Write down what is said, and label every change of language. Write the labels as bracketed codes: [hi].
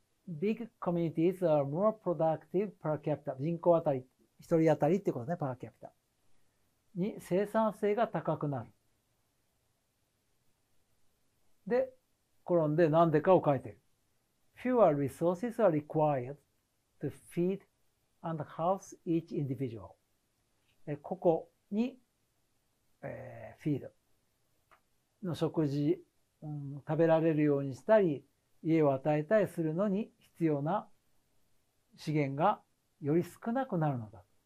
[en] Big communities are more productive per capita。 [ja] 人口あたり、一人当たりってことね、per capita。に生産性が高くなる。で、コロンで何でかを書いてる。 [en] Fewer resources are required to feed and house each individual。 [ja] ここに、feed の食事、食べられるようにしたり、家を与えたりするのに必要な資源がより少なくなるのだ。